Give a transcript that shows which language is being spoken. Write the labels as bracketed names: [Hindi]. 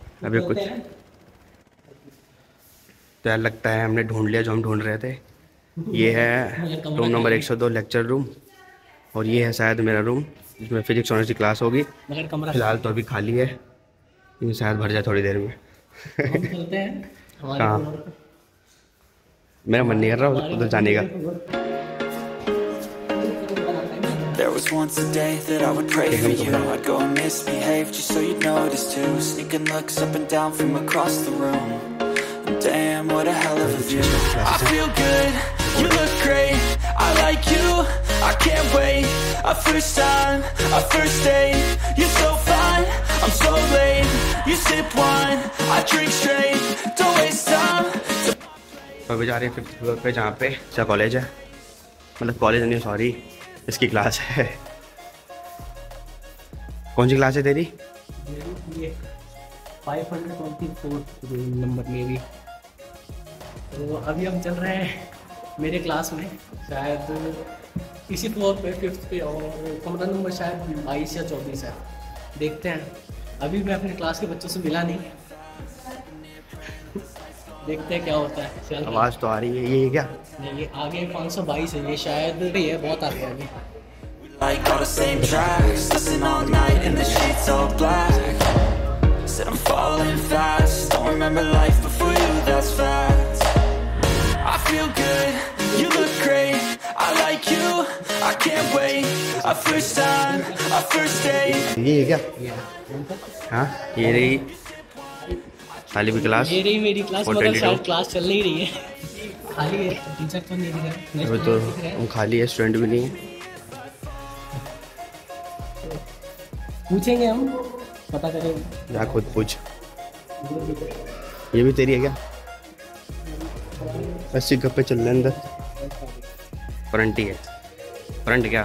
[Hindi] अभी कुछ तो यार लगता है हमने ढूंढ लिया जो हम ढूंढ रहे थे ये है रूम नंबर 102 लेक्चर रूम और ये है शायद मेरा रूम जिसमें फिजिक्स ऑनर्स की क्लास होगी फिलहाल तो अभी खाली है ये शायद भर जाए थोड़ी देर में कहाँ मेरा मन नहीं कर रहा उधर जाने का [English] There was once a day that I would pray for you I'd go and misbehave just so you'd notice too Sneaking looks up and down from across the room Damn, what a hell of a view I feel good You look great, I like you, I can't wait A first time, a first date You're so fine, I'm so late You sip wine, I drink straight Don't waste time [Hindi] अभी जा रहे हैं 5th floor पे जहाँ पे इसका college है मतलब कॉलेज नहीं सॉरी इसकी क्लास है कौन सी क्लास है तेरी 524 नंबर में भी तो अभी हम चल रहे हैं मेरे क्लास में शायद इसी फ्लोर पे 5th पे और कमरा नंबर शायद 22 या 24 है देखते हैं अभी मैं अपने क्लास के बच्चों से मिला नहीं देखते हैं क्या होता है आवाज तो आ रही है ये क्या नहीं ये आगे 522 है ये शायद ये बहुत आगे है अभी [English] I'm falling fast Don't remember life before you, that's fact I feel good, you look great I like you, I can't wait A first time, a first date [Hindi] ये क्या? [English] Yeah. [Hindi] हाँ, ये रही खाली भी क्लास ये रही मेरी क्लास, मगर शायद क्लास चल नहीं रही है खाली है, टीचर तो नहीं दिख रहा अभी तो हम खाली है, स्टूडेंट भी नहीं है पूछेंगे हम पता करें जा खुद पूछ ये भी तेरी है क्या बस गप्पे चल रहे अंदर फ्रंट ही है फ्रंट क्या